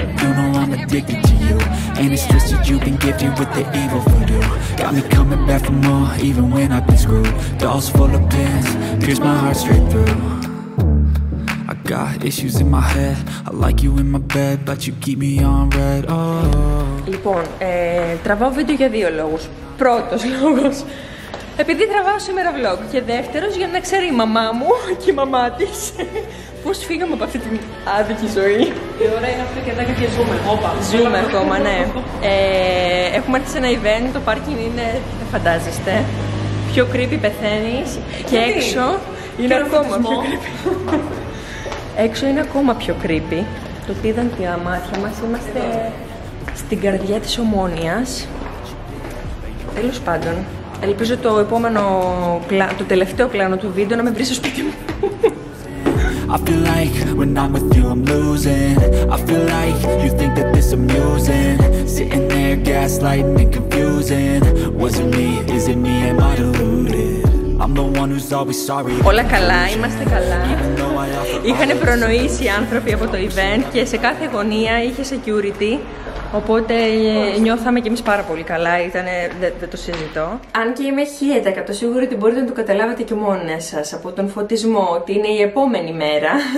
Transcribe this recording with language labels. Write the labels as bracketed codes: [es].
[en] You know I'm addicted to you. And it's twisted, you've been gifted with the evil voodoo. Got me coming back for more, even when I've been screwed. Dolls full of pins, pierce my heart straight through. I got issues in my head. I like you in my bed, but you keep me on red. Oh. [el] Λοιπόν, τραβάω βίντεο για δύο λόγους. Πρώτος λόγος, επειδή τραβάω σήμερα vlog. Και δεύτερος, για να ξέρει η μαμά μου και η μαμά της πώς φύγαμε από αυτή την άδικη ζωή. Η ώρα είναι αυτή και δέκα και ζούμε. Ζούμε ακόμα, ναι. Έχουμε έρθει σε ένα event, το πάρκινγκ είναι, δεν φαντάζεστε. Πιο creepy πεθαίνεις και έξω είναι ακόμα πιο creepy. Έξω είναι ακόμα πιο creepy. Το τι ήταν τα μάτια μας, είμαστε στην καρδιά της Ομόνοιας. Τέλος πάντων, ελπίζω το επόμενο, το τελευταίο πλάνο του βίντεο να με βρει στο σπίτι μου. [en] I feel like when I'm with you I'm losing. I feel like you think that this amusing. Sitting there gaslighting and confusing. Was it me? Is it me? Am I deluded? I'm the one who's always sorry. [el] Όλα καλά, είμαστε καλά. Είχαν προνοήσει οι άνθρωποι από το event και σε κάθε γωνία είχε security. Οπότε νιώθαμε κι εμείς πάρα πολύ καλά, ήτανε, δεν το συζητώ. Αν και είμαι 1100% σίγουρη ότι μπορείτε να το καταλάβετε και μόνοι σας από τον φωτισμό ότι είναι η επόμενη μέρα.